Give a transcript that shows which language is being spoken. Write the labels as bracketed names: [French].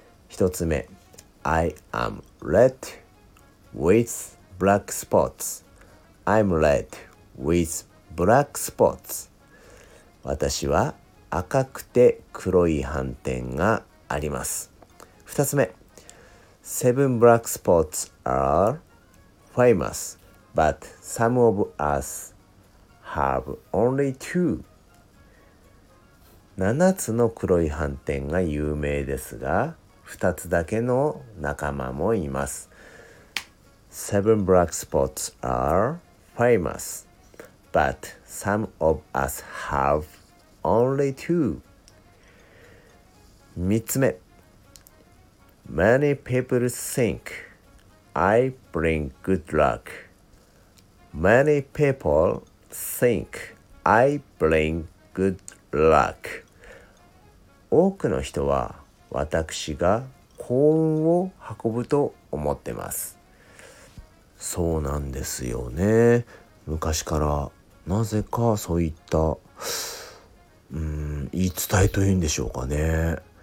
[Japanese] 1つ目、 [English] I am red with black spots。 I'm red with black spots。 [Japanese] 私は赤くて黒い斑点があります。 2つ目、 [English] 7 black spots are famous, but some of us have only 2. [Japanese] 7つの黒い斑点が有名ですが、2つだけの仲間もいます。 [English] 7 black spots are famous, but some of us have only 2. [Japanese] 3つ目、 [English] Many people think I bring good luck. Many people think I bring good luck. [Japanese] 多くの人は私が幸運を運ぶと思ってます。そうなんですよね。昔からなぜかそういった言い伝えというんでしょうかね。